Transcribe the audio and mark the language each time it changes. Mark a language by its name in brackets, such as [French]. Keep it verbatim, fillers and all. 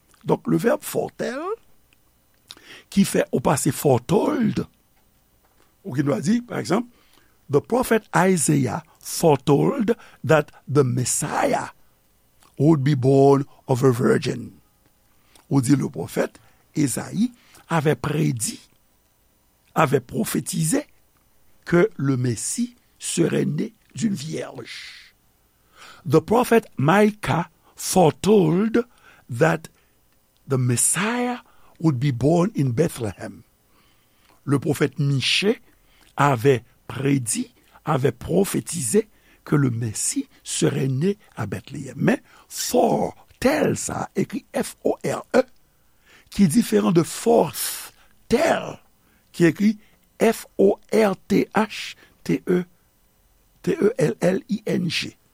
[French] Donc, le verbe foretell, qui fait au passé foretold, ou qui doit dire, par exemple, [English] the prophet Isaiah foretold that the Messiah would be born of a virgin. [French] Ou dit, le prophète Isaïe avait prédit, avait prophétisé que le Messie serait né d'une vierge. [English] The prophet Micah foretold that the Messiah would be born in Bethlehem. [French] Le prophète Michée avait prédit, avait prophétisé que le Messie serait né à Bethléem. Mais foretell, ça écrit F O R E, qui est différent de forth-tell, qui écrit F O R T H T E T E L L I N G.